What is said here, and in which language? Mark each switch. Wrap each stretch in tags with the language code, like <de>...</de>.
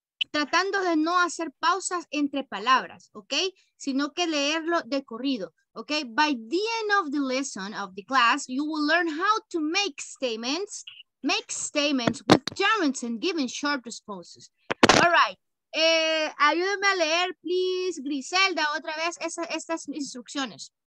<es>Tratando de no hacer pausas entre palabras, okay? Sino que leerlo de corrido, okay?</es> <en>By the end of the lesson of the class, you will learn how to make statements with gerunds and giving short responses. All right.</en> <es>Ayúdame a leer, please, Griselda, otra vez estas instrucciones.</es>